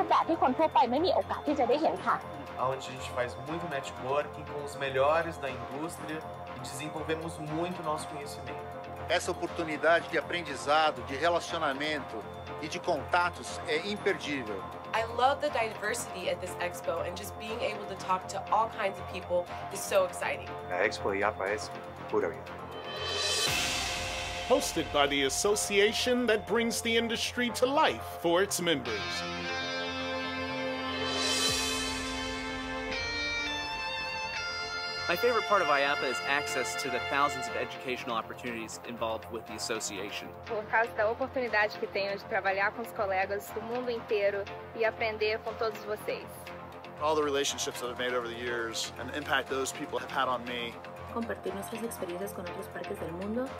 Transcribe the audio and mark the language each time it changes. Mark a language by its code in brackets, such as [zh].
[pt] Onde a gente faz muito networking com os melhores da indústria e desenvolvemos muito nosso conhecimento. Essa oportunidade de aprendizado, de relacionamento e de contatos é imperdível. [en] I love the diversity at this expo and just being able to talk to all kinds of people is so exciting. [pt] A Expo IAAPA é pura vida. [en] Hosted by the association that brings the industry to life for its members. My favorite part of IAAPA is access to the thousands of educational opportunities involved with the association. [pt] Por causa da oportunidade que tenho de trabalhar com os colegas do mundo inteiro e aprender com todos vocês. [en] All the relationships that I've made over the years and the impact those people have had on me. [es] Compartir nuestras experiencias con otros parques del mundo.